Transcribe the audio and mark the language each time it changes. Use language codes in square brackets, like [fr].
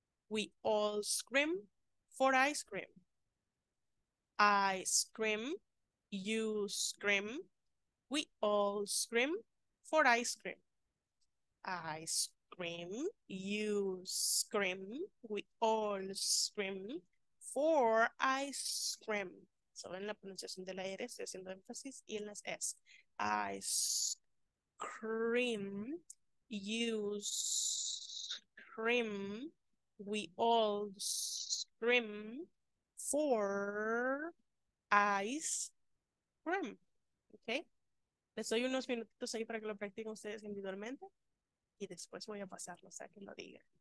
[en] We all scream for ice cream. Ice cream. You scream, we all scream for ice cream. Ice scream, you scream, we all scream, for I scream. [es] Solo en la pronunciación de la R estoy haciendo énfasis y en las S. [en] I scream, you scream, we all scream, for ice cream. Ok. [es] Les doy unos minutitos ahí para que lo practiquen ustedes individualmente y después voy a pasarlos a que lo digan.